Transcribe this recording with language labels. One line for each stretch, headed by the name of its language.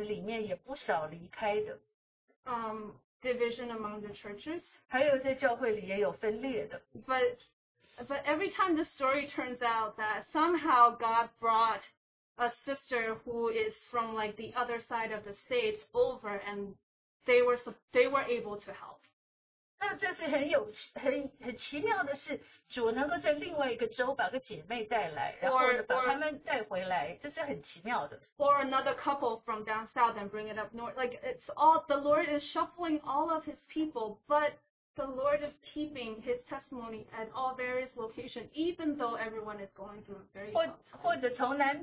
Chinese: 那所以呢，我也很惊讶的，就是在过去的三年里面也不少离开的。
English: Division among the churches.
Chinese: 还有在教会里也有分裂的。
English: But every time the story turns out that somehow God brought a sister who is from like the other side of the states over, and they were able to help.
Chinese: 那这是很奇妙的是，主能够在另外一个州把个姐妹带来，然后把他们带回来，这是很奇妙的。
English: Or another couple from down south and bring it up north. Like it's all the Lord is shuffling all of His people, but the Lord is keeping His testimony at all various locations, even though everyone is going through a very.